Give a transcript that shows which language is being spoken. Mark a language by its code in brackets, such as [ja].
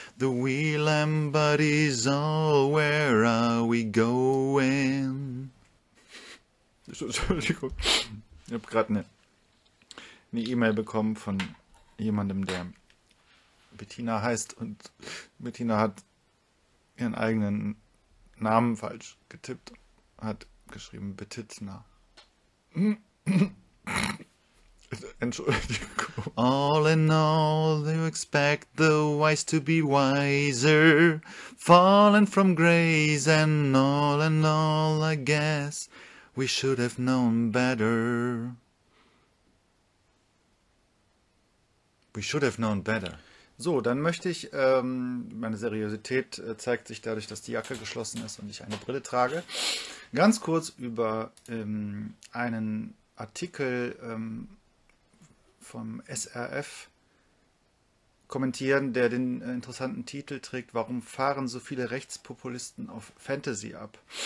[en] The wheel embodies all, where are we going? [de] Entschuldigung, ich habe gerade eine E-Mail bekommen von jemandem, der Bettina heißt. Und Bettina hat ihren eigenen Namen falsch getippt, hat geschrieben, Betitna. Entschuldigung. [en] All in all, you expect the wise to be wiser. Fallen from grace, and all in all, I guess we should have known better. We should have known better. [de] So, dann möchte ich, meine Seriosität zeigt sich dadurch, dass die Jacke geschlossen ist und ich eine Brille trage, ganz kurz über einen Artikel vom SRF kommentieren, der den interessanten Titel trägt, warum fahren so viele Rechtspopulisten auf Fantasy ab?